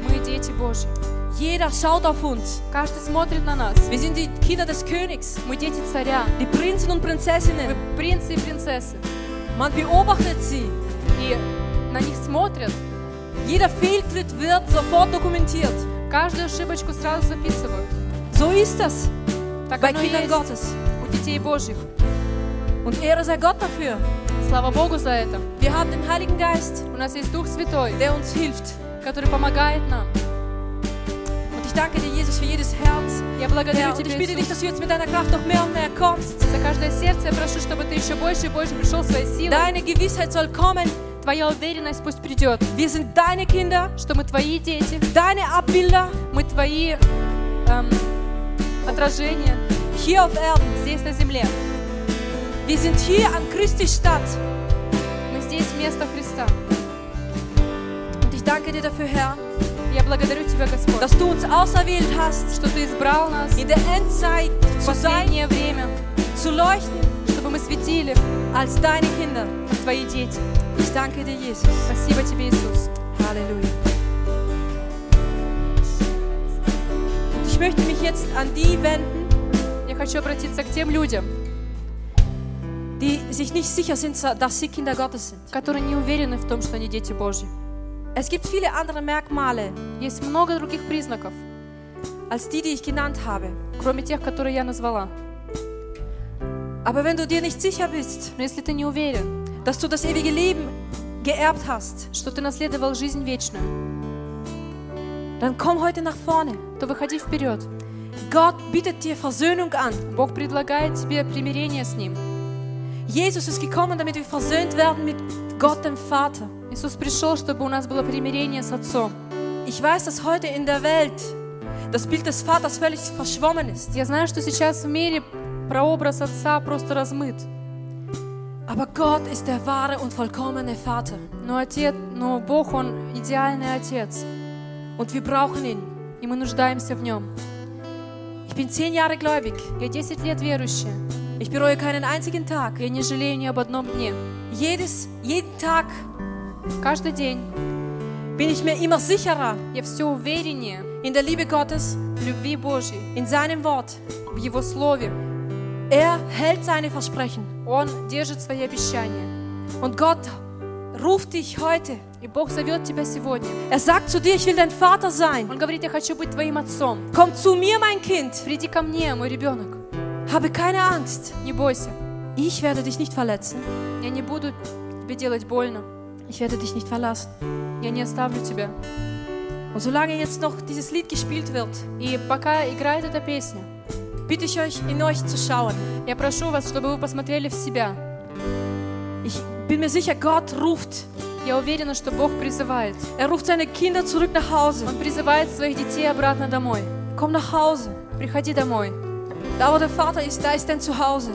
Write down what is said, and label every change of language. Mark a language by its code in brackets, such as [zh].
[ru] Мы дети Божьи. [de] Jeder schaut auf uns. [ru] Каждый смотрит на нас. [de] Wir sind die Kinder des Königs. [ru] Мы дети царя. [de] Die Prinzen und Prinzessinnen. [ru] Мы принцы и принцессы. [de] Man beobachtet sie. [ru] И на них смотрят. [de] Jeder Fehltritt wird sofort dokumentiert. [ru] Каждую ошибочку сразу записывают. [de] So ist das. [ru] Так [de] bei Kindern Gottes. [ru] У детей Божьих. [de] Und Ehre sei Gott dafür. [ru] Слава Богу за это. [de] Wir haben den Heiligen Geist. [ru] У нас есть Дух Святой, [de] der uns hilft. [ru] Который помогает нам. [de] Und ich danke dir, Jesus, für jedes Herz. [ru] Я благодарю тебя, Иисус. [de] Ich bitte dich, dass du jetzt mit deiner Kraft noch mehr und mehr kommst. [ru] За каждое сердце я прошу, чтобы ты еще больше и больше пришел своей силой. [de] Deine Gewissheit soll kommen. [ru] Твоя уверенность пусть придет. [de] Wir sind deine Kinder. [ru] Что мы твои дети. [de] Deine Abbilder. [ru] Мы твои отражения. [en] Here on earth. [ru] Здесь на земле. [de] Wir sind hier an Christi Stadt. [ru] Мы здесь вместо Христа. [de] Und ich danke dir dafür, Herr. [ru] Я благодарю тебя, Господь. [de] Dass du uns auserwählt hast. [ru] Что ты избрал нас. [de] In der Endzeit zu sein. [ru] Последнее время. [de] Zu leuchten. [ru] Чтобы мы светили. [de] Als deine Kinder. [ru] Как твои дети. [de] Ich danke dir, Jesus. [ru] Спасибо тебе, Иисус. [de] Halleluja. Und ich möchte mich jetzt an die wenden. [ru] Я хочу обратиться к тем людям. [de] Die sich nicht sicher sind, dass sie Kinder Gottes sind. [ru] Которые не уверены в том, что они дети Божьи. [de] Es gibt viele andere Merkmale. [ru] Есть много других признаков. [de] Als die, die ich genannt habe. [ru] Кроме тех, которые я назвала. [de] Aber wenn du dir nicht sicher bist. [ru] Но если ты не уверен. [de] Dass du das ewige Leben geerbt hast. [ru] Что ты наследовал жизнь вечную. [de] Dann komm heute nach vorne. [ru] То выходи вперед. [de] Gott bietet dir Versöhnung an. [ru] Бог предлагает тебе примирение с Ним. [de] Jesus ist gekommen, damit wir versöhnt werden mit Gott dem Vater. [ru] Иисус пришел, чтобы у нас было примирение с Отцом. [de] Ich weiß, dass heute in der Welt das Bild des Vaters völlig verschwommen ist. [ru] Я знаю, что сейчас в мире прообраз Отца просто размыт. [de] Aber Gott ist der wahre und vollkommene Vater. [ru] Но Бог, он идеальный Отец. [de] Und wir brauchen ihn. [ru] И мы нуждаемся в нем. [de] Ich bin 10 Jahre gläubig. [ru] Я 10 лет верующий. [de] Ich bereue keinen einzigen Tag. [ru] Я не жалею ни об одном дне. [de] Jeden Tag. [ru] Каждый день. [de] Bin ich mir immer sicherer. [ru] Я все увереннее. [de] In der Liebe Gottes. [ru] В любви Божьей. [de] In seinem Wort. [ru] В его слове. [de] Er hält seine Versprechen. [ru] Он держит свои обещания. [de] Und Gott ruft dich heute. [ru] И Бог зовет тебя сегодня. [de] Er sagt zu dir, ich will dein Vater sein. [ru] Он говорит, я хочу быть твоим отцом. [de] Komm zu mir, mein Kind. [ru] Приди ко мне, мой ребенок. [de] Habe keine Angst. [ru] Не бойся. [de] Ich werde dich nicht verletzen. [ru] Я не буду тебе делать больно. [de] Ich werde dich nicht verlassen. [ru] Я не оставлю тебя. [de] Und solange jetzt noch dieses Lied gespielt wird, [ru] и пока играет эта песня, [de] bitte ich euch, in euch zu schauen. [ru] Я прошу вас, чтобы вы посмотрели в себя. [de] Ich bin mir sicher, Gott ruft. [ru] Я уверена, что Бог призывает. [de] Er ruft seine Kinder zurück nach Hause. [ru] Он призывает своих детей обратно домой. [de] Komm nach Hause. [ru] Приходи домой. [de] Da wo der Vater ist, da ist dein Zuhause.